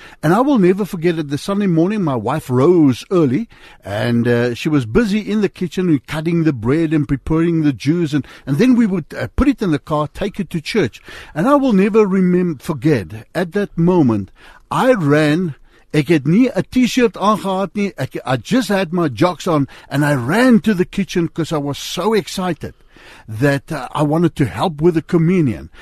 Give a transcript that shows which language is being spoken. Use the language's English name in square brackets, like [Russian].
[English] And I will never forget it. The Sunday morning, my wife rose early, and she was busy in the kitchen cutting the bread and preparing the juice. And then we would put it in the car, take it to church. And I will never forget, at that moment, I ran. [Afrikaans] Ek het nie 'n T-shirt aangehad nie. [English] I just had my jocks on, and I ran to the kitchen because I was so excited that I wanted to help with the communion.